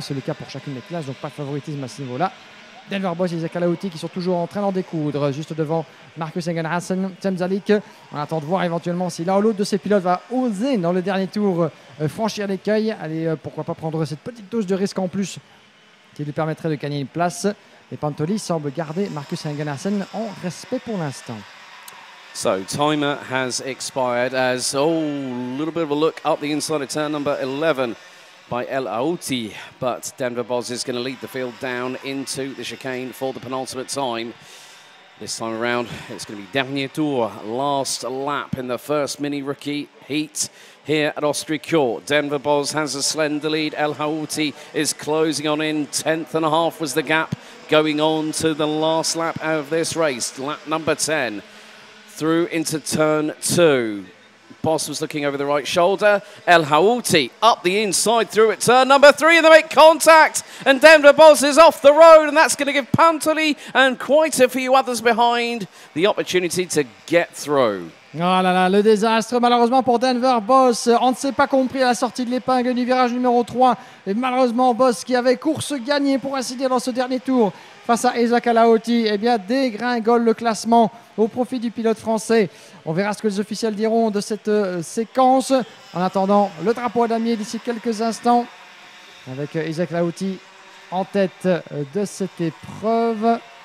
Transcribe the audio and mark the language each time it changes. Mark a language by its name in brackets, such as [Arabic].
[French] C'est le cas pour chacune des classes, donc pas de favoritisme à ce niveau-là. Denver Bosch et Isaac Alaouti qui sont toujours en train d'en découdre juste devant Marcus Engen-Hansen, Tom Zalik. On attend de voir éventuellement si l'un ou l'autre de ces pilotes va oser dans le dernier tour franchir l'écueil. Allez, pourquoi pas prendre cette petite dose de risque en plus qui lui permettrait de gagner une place. Et Pantoli semble garder Marcus Engen-Hansen en respect pour l'instant. [English] So, timer has expired as a little bit of a look up the inside of turn number 11. By Elaouti, but Denver Boz is going to lead the field down into the chicane for the penultimate time. This time around, it's going to be [French] dernier tour, [English] last lap in the first mini rookie heat here at Austricourt. Denver Boz has a slender lead. Elaouti is closing on in. 10th and a half was the gap going on to the last lap of this race. Lap number 10 through into turn two. Boss was looking over the right shoulder. Elhaouti up the inside through at turn number three and they make contact. And Denver Boss is off the road and that's going to give Pantoli and quite a few others behind the opportunity to get through. [French] Oh là là, le désastre malheureusement pour Denver Boss. On ne s'est pas compris à la sortie de l'épingle du virage numéro 3. Et malheureusement, Boss qui avait course gagnée pour ainsi dire dans ce dernier tour face à Isaac Alaouti, eh bien, dégringole le classement au profit du pilote français. On verra ce que les officiels diront de cette séquence. En attendant, le drapeau à damier d'ici quelques instants avec Isaac Alaouti en tête de cette épreuve.